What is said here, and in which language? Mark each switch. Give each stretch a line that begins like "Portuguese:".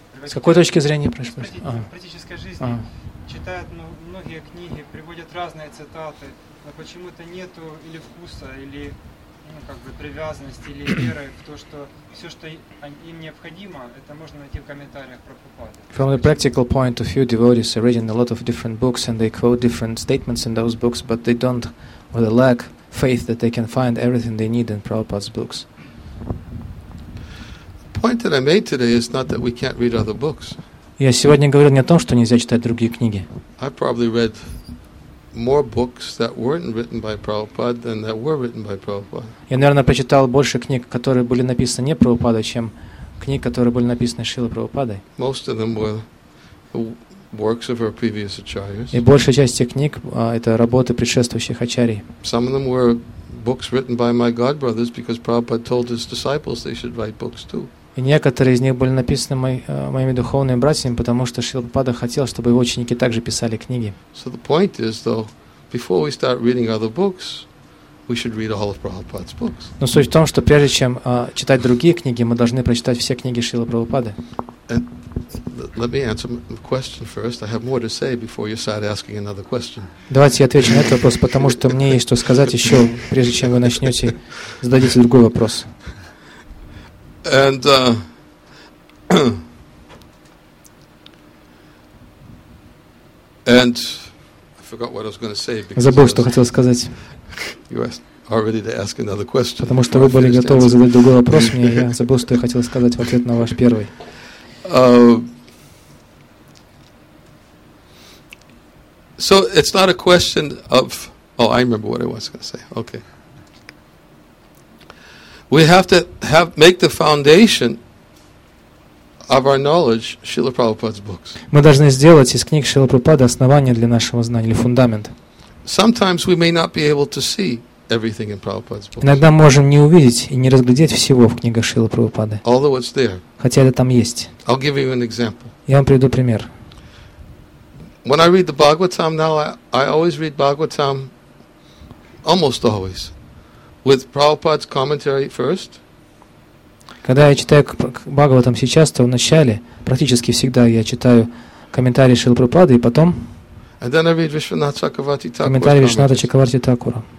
Russian: С какой точки зрения, прошу прощения? В практической жизни читают многие книги, приводят разные цитаты, но почему-то нету или вкуса, или привязанности, или веры в то, что все, что им необходимо, это можно найти в комментариях Прабхупады.
English: From the practical point of view, devotees are reading a lot of different books and they quote different statements in those books, but they don't or they lack faith that they can find everything they need in Prabhupada's books. The point that I made today is not that we can't read other books.
Russian: Я сегодня говорил не о том, что нельзя читать другие книги.
English: I probably read more books that weren't written by Prabhupada than that were written by Prabhupada.
Russian: Я, наверное, прочитал больше книг, которые были написаны не Прабхупадой, чем книг, которые были написаны Шрилой Прабхупадой.
English: Most of them were works of our previous acharyas.
Russian: И большая часть этих книг это работы предшествующих ачарий.
English: Some of them were books written by my god brothers because Prabhupada told his disciples they should write books too.
Russian: И некоторые из них были написаны моими духовными братьями, потому что Шрила Прабхупада хотел, чтобы его ученики также писали книги.
English: So the point is though, before we start reading other books, we should read all of Prabhupada's books.
Russian: Но суть в том, что прежде чем читать другие книги, мы должны прочитать все книги Шрилы Прабхупады.
English: Let me answer the question first. I have more to say before you start asking another question.
Russian: Давайте я отвечу на этот вопрос, потому что мне есть что сказать еще, прежде чем вы начнете зададите другой вопрос.
English: And and I forgot what I was going to say.
Russian: Забыл, что хотел сказать.
English: You are ready to ask another question.
Russian: Потому что вы были готовы задать другой вопрос мне, я забыл, что я хотел сказать в ответ на ваш первый.
English: So it's not a question of. Oh, I remember what I was going to say. Okay. We have to make the foundation of our knowledge Srila Prabhupada's books.
Russian: Мы должны сделать из книг Шрилы Прабхупады основание для нашего знания или фундамент.
English: Sometimes we may not be able to see everything in Prabhupada's books.
Russian: Иногда можем не увидеть и не разглядеть всего в книгах Шрилы Прабхупады.
English: Although it's there.
Russian: Хотя это там есть.
English: I'll give you an example.
Russian: Я вам приведу пример.
English: When I read the Bhagavatam now, I always read Bhagavatam, almost always, with Prabhupada's commentary first.
Russian: Когда я читаю Бхагаватам сейчас, то вначале, практически всегда, я читаю комментарии Шрилы Прабхупады, и потом комментарии Вишванатха Чакраварти Такура.